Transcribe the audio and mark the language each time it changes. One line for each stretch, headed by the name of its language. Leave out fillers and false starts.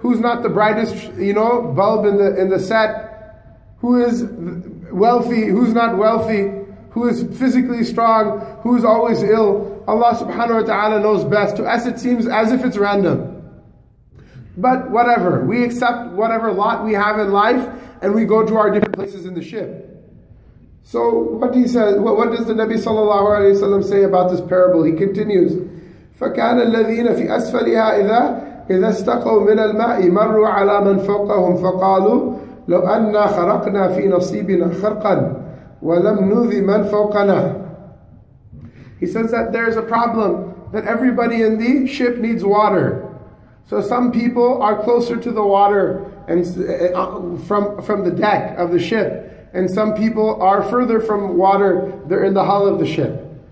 English: Who's not the brightest, you know, bulb in the set? Who is wealthy, who's not wealthy, who is physically strong, who is always ill, Allah subhanahu wa ta'ala knows best. To us it seems as if it's random. But whatever, we accept whatever lot we have in life and we go to our different places in the ship. So what he says, what does the Nabi sallallahu alayhi wa sallam say about this parable? He continues,
Arabic: فَكَانَ الَّذِينَ فِي أَسْفَلِهَا إِذَا اسْتَقَوْا مِنَ الْمَاءِ مَرُّوا عَلَى مَنْ فَوْقَهُمْ فَقَالُوا لَوْ أَنَّا خَرَقْنَا فِي نَصِيبِنَا خَرْقًا وَلَمْ نُذِي مَنْ فَوْقَنَا.
English: He says that there is a problem that everybody in the ship needs water. So some people are closer to the water and from the deck of the ship. And some people are further from water, they're in the hull of the ship.